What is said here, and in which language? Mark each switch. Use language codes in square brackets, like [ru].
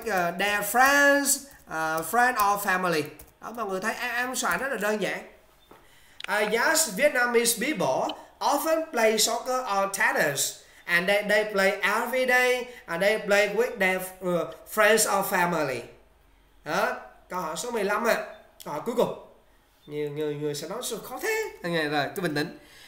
[en] They play every day and they play with their friends or family. [vi] Đó, mọi người thấy em soạn rất là đơn giản. [en] Yes, Vietnamese people often play soccer or tennis and they play every day and they play with their friends or family. [vi] Đó, câu hỏi số 15 ạ. Câu hỏi cuối cùng. Người sẽ nói khó thế. Nghe rồi, cứ bình tĩnh.